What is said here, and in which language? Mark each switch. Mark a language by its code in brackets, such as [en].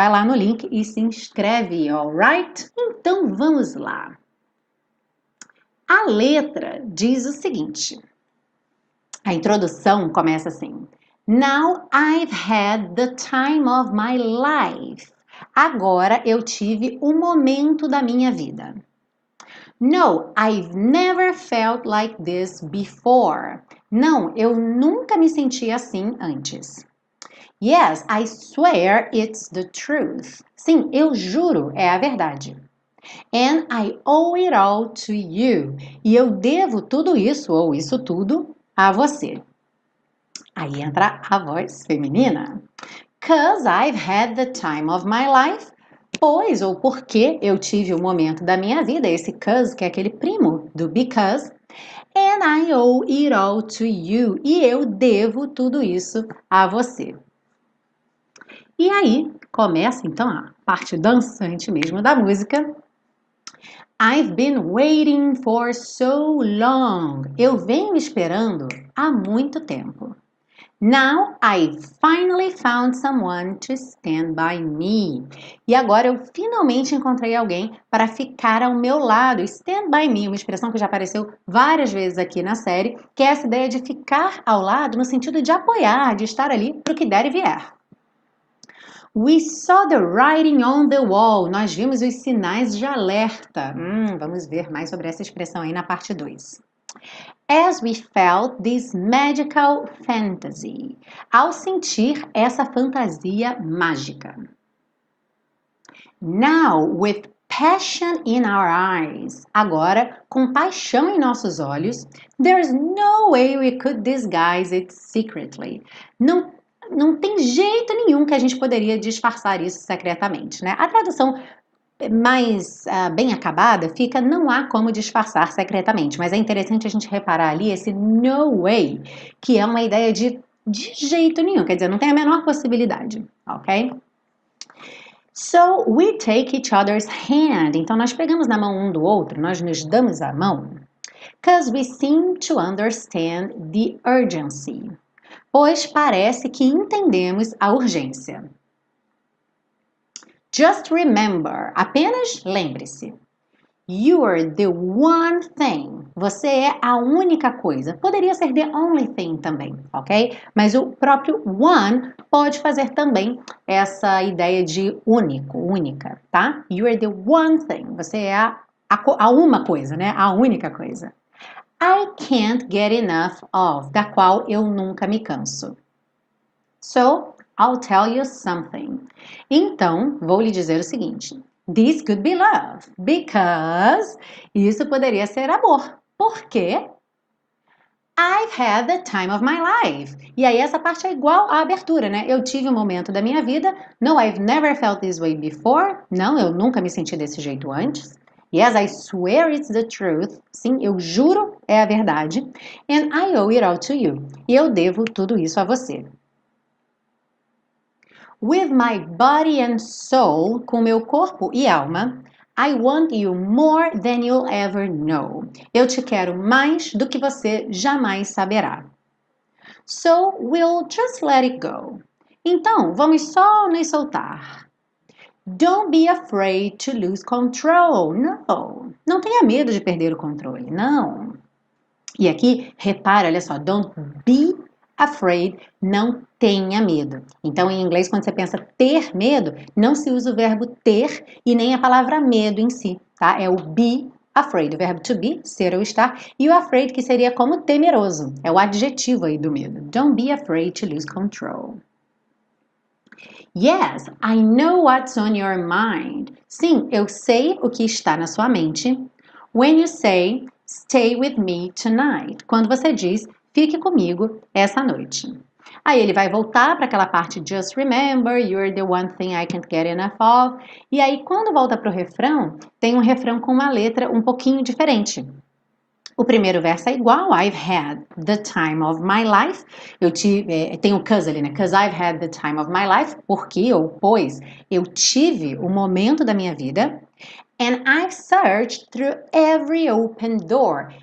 [pt] Vai lá no link e se inscreve, alright? Então, vamos lá. A letra diz o seguinte, a introdução começa assim: [en] Now I've had the time of my life. [pt] Agora eu tive o momento da minha vida. [en] No, I've never felt like this before. [pt] Não, eu nunca me senti assim antes. [en] Yes, I swear it's the truth. [pt] Sim, eu juro, é a verdade. [en] And I owe it all to you. [pt] E eu devo tudo isso, ou isso tudo, a você. Aí entra a voz feminina. [en] 'Cause I've had the time of my life. [pt] Pois, ou porque eu tive o momento da minha vida. Esse 'cause, que é aquele primo do because. [en] And I owe it all to you. [pt] E eu devo tudo isso a você. E aí começa então a parte dançante mesmo da música. [en] I've been waiting for so long. [pt] Eu venho esperando há muito tempo. [en] Now I finally found someone to stand by me. [pt] E agora eu finalmente encontrei alguém para ficar ao meu lado. [en] Stand by me, [pt] uma expressão que já apareceu várias vezes aqui na série, que é essa ideia de ficar ao lado no sentido de apoiar, de estar ali para o que der e vier. [en] We saw the writing on the wall. [pt] Nós vimos os sinais de alerta. Vamos ver mais sobre essa expressão aí na parte 2. [en] As we felt this magical fantasy. [pt] Ao sentir essa fantasia mágica. [en] Now, with passion in our eyes. [pt] Agora, com paixão em nossos olhos. [en] There's no way we could disguise it secretly. [pt] Não tem jeito nenhum que a gente poderia disfarçar isso secretamente, né? A tradução mais bem acabada fica: não há como disfarçar secretamente. Mas é interessante a gente reparar ali esse no way, que é uma ideia de jeito nenhum, quer dizer, não tem a menor possibilidade, ok? [en] So we take each other's hand. [pt] Então nós pegamos na mão um do outro, nós nos damos a mão. [en] Because we seem to understand the urgency. [pt] Pois parece que entendemos a urgência. [en] Just remember, [pt] apenas lembre-se. [en] You are the one thing. [pt] Você é a única coisa. Poderia ser [en] the only thing [pt] também, ok? Mas o próprio one pode fazer também essa ideia de único, única, tá? [en] You are the one thing. [pt] Você é a uma coisa, né? A única coisa. [en] I can't get enough of, [pt] da qual eu nunca me canso. [en] So, I'll tell you something. [pt] Então, vou lhe dizer o seguinte. [en] This could be love, because [pt] isso poderia ser amor. Por quê? [en] I've had the time of my life. [pt] E aí, essa parte é igual à abertura, né? Eu tive um momento da minha vida. [en] No, I've never felt this way before. [pt] Não, eu nunca me senti desse jeito antes. [en] Yes, I swear it's the truth. [pt] Sim, eu juro, é a verdade. [en] And I owe it all to you. [pt] E eu devo tudo isso a você. [en] With my body and soul, [pt] com meu corpo e alma, [en] I want you more than you'll ever know. [pt] Eu te quero mais do que você jamais saberá. [en] So we'll just let it go. [pt] Então, vamos só nos soltar. [en] Don't be afraid to lose control. [pt] Não. Não tenha medo de perder o controle. Não. E aqui, repara, olha só. [en] Don't be afraid. [pt] Não tenha medo. Então, em inglês, quando você pensa ter medo, não se usa o verbo ter e nem a palavra medo em si, tá? É o be afraid, o verbo to be, ser ou estar, e o afraid, que seria como temeroso. É o adjetivo aí do medo. [en] Don't be afraid to lose control. Yes, I know what's on your mind. [pt] Sim, eu sei o que está na sua mente. [en] When you say, stay with me tonight. [pt] Quando você diz, fique comigo essa noite. Aí ele vai voltar para aquela parte, [en] just remember, you're the one thing I can't get enough of. [pt] E aí, quando volta para o refrão, tem um refrão com uma letra um pouquinho diferente. O primeiro verso é igual, [en] I've had the time of my life. [pt] Tem o cause ali, né? [en] Cause I've had the time of my life. [pt] Porque ou pois eu tive o momento da minha vida. [en] And I've searched through every open door.